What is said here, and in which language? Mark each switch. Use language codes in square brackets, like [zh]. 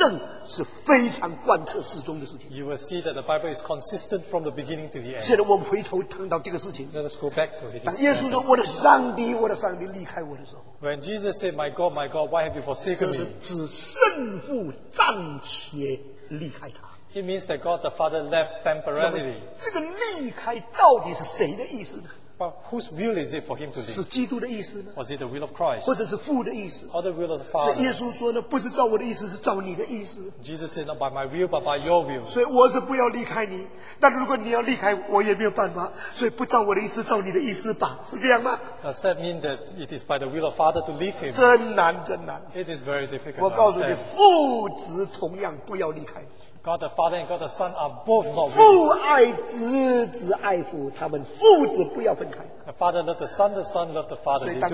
[zh] 你就觉得基督教的信仰是天衣无缝，圣经的记载是前后印证，是非常贯彻始终的事情。 [en] You will see that the Bible is consistent from the beginning to the end. [zh] 现在我们回头谈到这个事情。 [en] Let us go back to it. [zh] 当耶稣说我的上帝，我的上帝离开我的时候， [en] When Jesus said, my God, why have you forsaken me? [zh] 就是指圣父暂且离开他。 [en] It means that God the Father left temporarily. [zh] 这个离开到底是谁的意思呢？ [en] But whose will is it for him to leave? [zh] 是基督的意思呢？ [en] Was it the will of Christ? [zh] 或者是父的意思？ [en] Or the will of the Father? [zh] 耶稣说呢， 不是照我的意思，是照你的意思。 [en] Jesus said, not by my will, but by your will. [zh] 所以我是不要离开你， 但如果你要离开， 我也没有办法， 所以不照我的意思， 照你的意思吧， 是这样吗？ [en] Does that mean that it is by the will of Father to leave him? [zh] 真难， 真难。 [en] It is very difficult. [zh] 我告诉你， 父子同样不要离开你。 [en] God the Father and God the Son are both not willing. [zh] 父爱子，子爱父，他们父子不要分开。 [en] The Father loved the Son loved the Father.